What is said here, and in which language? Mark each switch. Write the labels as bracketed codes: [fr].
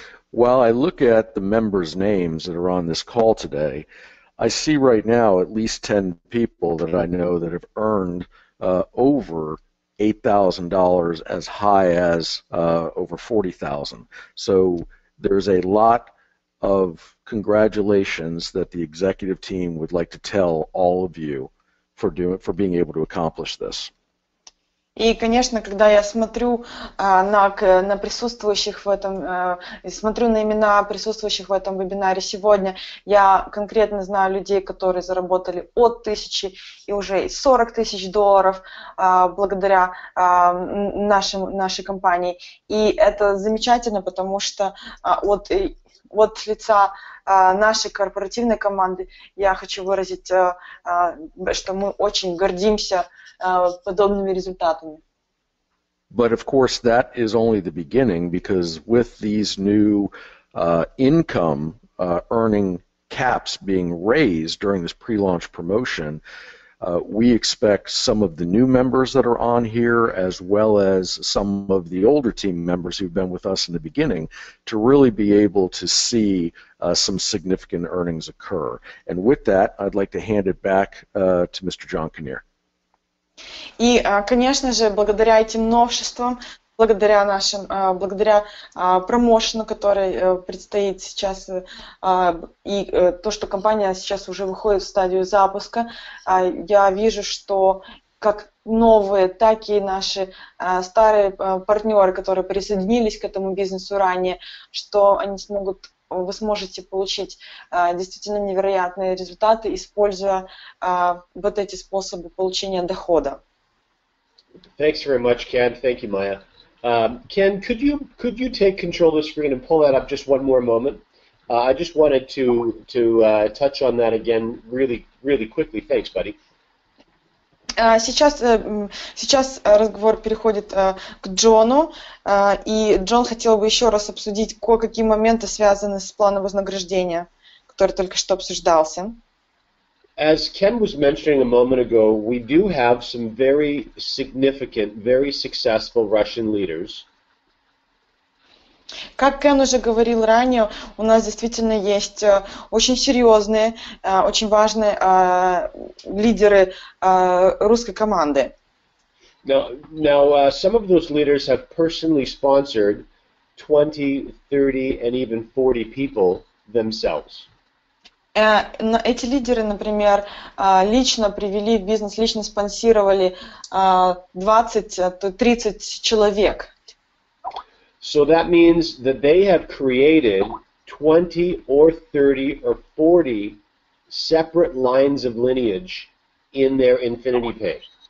[en] While I look at the members' names that are on this call today, I see right now at least 10 people that I know that have earned over $8,000, as high as over $40,000. So there's a lot of congratulations that the executive team would like to tell all of you for being able to accomplish this. [ru] И, конечно, когда я смотрю на присутствующих в этом, смотрю на имена присутствующих в этом вебинаре сегодня, я конкретно знаю людей, которые заработали от 1000 и уже 40 тысяч долларов благодаря нашей компании. И это замечательно, потому что от лица нашей корпоративной команды я хочу выразить, что мы очень гордимся подобными результатами. [en] But of course that is only the beginning, because with these new income earning caps being raised during this pre-launch promotion, we expect some of the new members that are on here, as well as some of the older team members who've been with us in the beginning, to really be able to see some significant earnings occur. And with that, I'd like to hand it back to Mr. John Kinnear. [ru] И, конечно же, благодаря этим новшествам, благодаря промоушену, который предстоит сейчас, и то, что компания сейчас уже выходит в стадию запуска, я вижу, что как новые, так и наши старые партнеры, которые присоединились к этому бизнесу ранее, что они смогут, вы сможете получить действительно невероятные результаты, используя вот эти способы получения дохода. [en] Thanks very much, Ken. Thank you, Maya. Ken, could you take control of the screen and pull that up just one more moment? I just wanted to touch on that again really, really quickly. Thanks, buddy. [ru] Сейчас разговор переходит к Джону, и Джон хотел бы еще раз обсудить кое-какие моменты, связанные с планом вознаграждения, который только что обсуждался. [en] As Ken was mentioning a moment ago, we do have some very significant, very successful Russian leaders. [ru] Как Кен уже говорил ранее, у нас действительно есть очень серьезные, очень важные лидеры русской команды. [en] Now, some of those leaders have personally sponsored 20, 30, and even 40 people themselves. [ru] Эти лидеры, например, лично привели в бизнес, лично спонсировали 20-30 человек. [en] So that means that they have created 20 or 30 or 40 separate lines of lineage in their Infinity Pay.